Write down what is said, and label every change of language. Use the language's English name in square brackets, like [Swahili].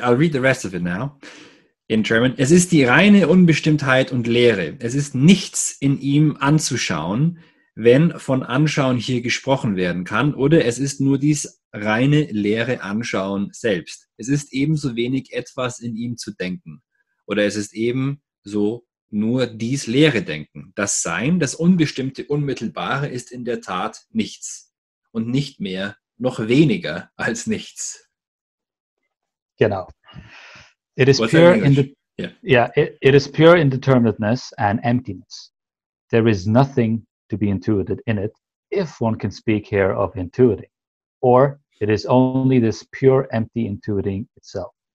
[English] I'll read the rest of it now in German. [German] Es ist die reine Unbestimmtheit und Leere. Es ist nichts in ihm anzuschauen, wenn von Anschauen hier gesprochen werden kann, oder es ist nur dies reine leere Anschauen selbst. Es ist ebenso wenig etwas in ihm zu denken, oder es ist ebenso nur dies leere Denken. Das Sein, das Unbestimmte, Unmittelbare, ist in der Tat nichts und nicht mehr, noch weniger als nichts. Genau. [English] It is pure it is pure indeterminateness and emptiness. There is nothing to be intuited in it, if one can speak here of intuiting. Or it is only this pure empty intuiting itself.